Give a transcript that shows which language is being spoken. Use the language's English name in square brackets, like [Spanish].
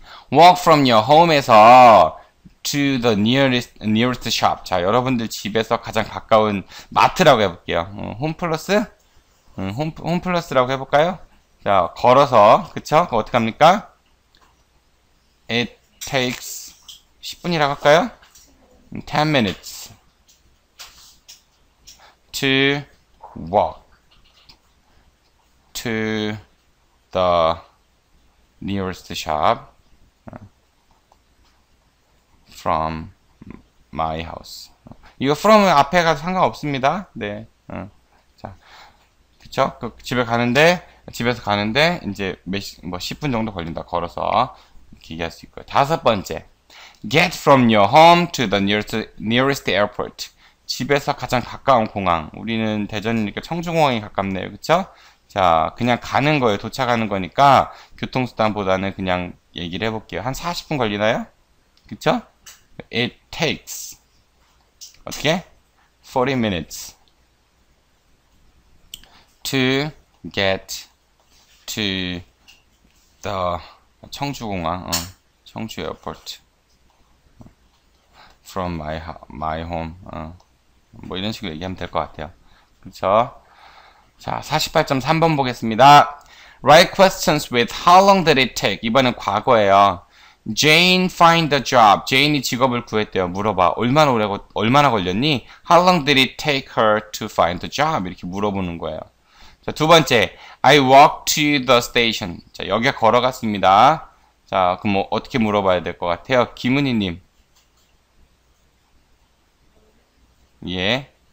[English] Walk from your home에서 to the nearest shop. [Korean] 자, 여러분들 집에서 가장 가까운 마트라고 해볼게요. 홈플러스? 홈플러스라고 해볼까요? 자, 걸어서, 그쵸? 어떻게 합니까? [English] It takes [Korean] 10분이라고 할까요? [English] 10 minutes to walk to the nearest shop from my house. [Korean] 이거 from 앞에 가도 상관없습니다. 네. 자, 그쵸? 그 집에서 가는데, 이제 뭐 10분 정도 걸린다. 걸어서 이렇게 얘기할 수 있고요. 다섯 번째. [English] Get from your home to the nearest airport. [Korean] 집에서 가장 가까운 공항. 우리는 대전이니까 청주공항이 가깝네요. 그쵸? 자, 그냥 가는 거예요. 도착하는 거니까 교통수단보다는 그냥 얘기를 해볼게요. 한 40분 걸리나요? 그쵸? [English] It takes [Korean] 어떻게? [English] 40 minutes to get to the 청주공항. 청주 에어포트. From my home. [Korean] 뭐 이런 식으로 얘기하면 될것 같아요. 그렇죠? 자, 48.3번 보겠습니다. [English] Write questions with how long did it take? [Korean] 이번엔 과거예요. [English] Jane find a job. [Korean] 제인이 직업을 구했대요. 물어봐. 얼마나 걸렸니? [English] How long did it take her to find a job? [Korean] 이렇게 물어보는 거예요. 자, 두 번째. [English] I walk to the station. [Korean] 자, 여기에 걸어갔습니다. 자, 그럼 뭐 어떻게 물어봐야 될것 같아요? 김은희님. 예.